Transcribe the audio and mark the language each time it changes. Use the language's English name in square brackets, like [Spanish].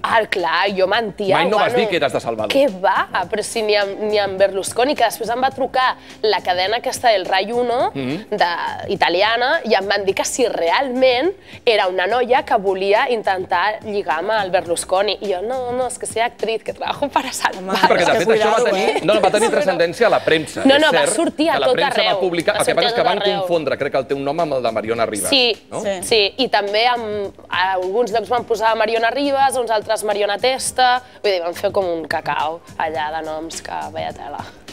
[Catalan] Ah, clar, jo mentia. Mai no vas dir que eres de Salvador. Què va? Però si ni amb Berlusconi, que després em va trucar la cadena aquesta del Rai 1, italiana, i em van dir que si realment era una noia que volia intentar lligar amb el Berlusconi. I jo, no, no, és que [Spanish] soy actriz, que trabajo para Salvador. [Catalan] Perquè, de fet, això va tenir transcendència a la premsa. No, no, va sortir a tot arreu. Va publicar, el que passa és que van confondre, crec que el teu nom amb el de Mariona Rivas. Sí, sí, i també a alguns llocs van posar Mariona Rivas, uns altres Mariona Testa, vull dir, van fer com un cacau allà de noms que veia tela.